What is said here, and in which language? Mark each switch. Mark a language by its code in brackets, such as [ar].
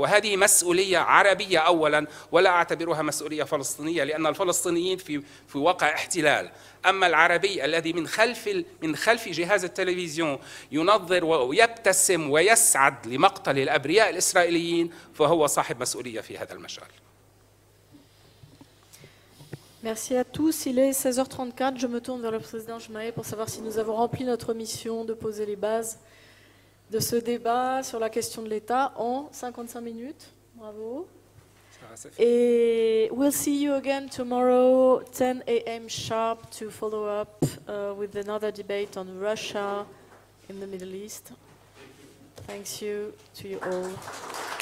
[ar] وهذه مسؤولية عربية أولاً، ولا أعتبرها مسؤولية فلسطينية، لأن الفلسطينيين في واقع احتلال. أما العربي الذي من خلف جهاز التلفزيون ينظر ويبتسم ويسعد لمقتل الأبرياء الإسرائيليين، فهو صاحب مسؤولية في هذا المجال. [fr] Merci à tous. Il est 16h34. Je me tourne vers le président Jmaé pour savoir si nous avons rempli notre mission de poser les bases de ce débat sur la question de l'État en 55 minutes. Bravo. [en] Et we'll see you again tomorrow, 10 a.m. sharp, to follow up with another debate on Russia in the Middle East. Thanks you to you all.